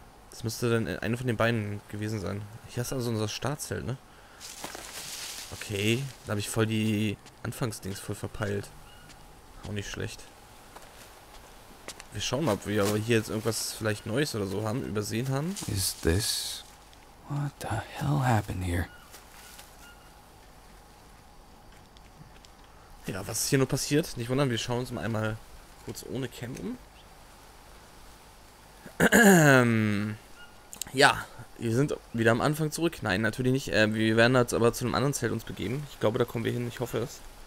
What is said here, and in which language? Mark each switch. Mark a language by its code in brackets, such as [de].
[de] Das müsste dann eine von den beiden gewesen sein. Hier ist also unser Startzelt, ne? Okay, da habe ich voll die Anfangsdings voll verpeilt. Auch nicht schlecht. Wir schauen mal, ob wir aber hier jetzt irgendwas vielleicht Neues oder so haben, übersehen haben. [en] Is this... What the hell happened here? [de] Ja, was ist hier nur passiert? Nicht wundern, wir schauen uns mal einmal kurz ohne Cam um. Ja, wir sind wieder am Anfang zurück. Nein, natürlich nicht. Wir werden jetzt aber zu einem anderen Zelt uns begeben. Ich glaube, da kommen wir hin. Ich hoffe es.